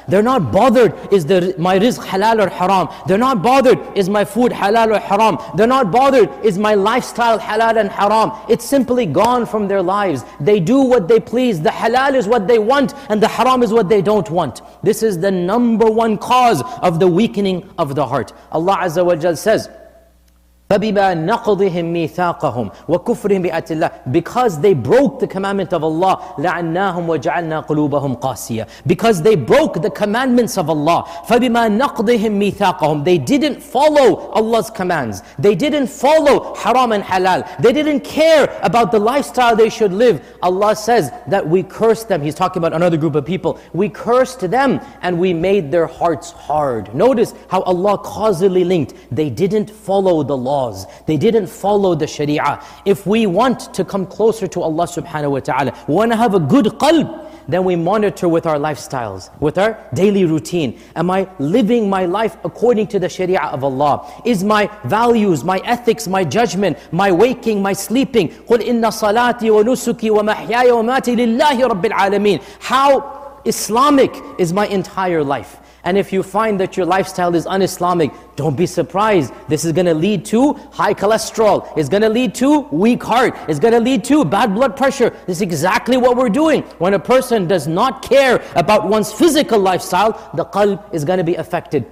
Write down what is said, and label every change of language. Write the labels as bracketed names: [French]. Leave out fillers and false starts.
[English] They're not bothered, is my rizq halal or haram? They're not bothered, is my food halal or haram? They're not bothered, is my lifestyle halal and haram? It's simply gone from their lives. They do what they please. The halal is what they want, and the haram is what they don't want. This is the number one cause of the weakening of the heart. [Arabic] Allah Azza wa Jal says, فَبِمَا نَقْضِهِمْ مِيثَاقَهُمْ وَكُفْرِهِمْ بِآتِ اللَّهِ. [English] Because they broke the commandment of Allah, لَعَنَّاهُمْ وَجَعَلْنَا قُلُوبَهُمْ قَاسِيَةً. Because they broke the commandments of Allah, فَبِمَا نَقْضِهِمْ مِيثَاقَهُمْ. They didn't follow Allah's commands. They didn't follow haram and halal. They didn't care about the lifestyle they should live. Allah says that we cursed them. He's talking about another group of people. We cursed them and we made their hearts hard. Notice how Allah causally linked. They didn't follow the laws. They didn't follow the sharia. If we want to come closer to Allah subhanahu wa ta'ala, we want to have a good qalb, then we monitor with our lifestyles, with our daily routine. Am I living my life according to the sharia of Allah? Is my values, my ethics, my judgment, my waking, my sleeping? [Arabic] قُلْ إِنَّ صَلَاتِي وَنُسُكِي وَمَحْيَايَ وَمَاتِي لِلَّهِ رَبِّ الْعَالَمِينَ. How Islamic is my entire life? [English] And if you find that your lifestyle is un-Islamic, don't be surprised. This is going to lead to high cholesterol. It's going to lead to weak heart. It's going to lead to bad blood pressure. This is exactly what we're doing. When a person does not care about one's physical lifestyle, the qalb is going to be affected.